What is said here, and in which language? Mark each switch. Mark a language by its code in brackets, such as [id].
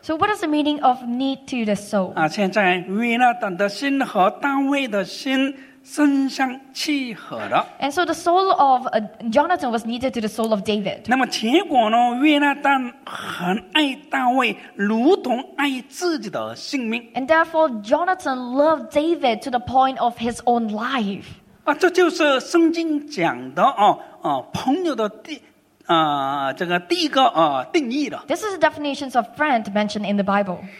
[en] So what is the meaning of knit to the soul? [zh] 现在约拿丹的心和大卫的心身相契合了。 [en] And so the soul of Jonathan was knitted to the soul of David. [zh] 那么结果呢,约拿丹很爱大卫,如同爱自己的性命。 [en] And therefore Jonathan loved David to the point of his own life. [zh] 这就是圣经讲的朋友的 这个第一个定义了. [en] This is the definitions of friend mentioned in the Bible.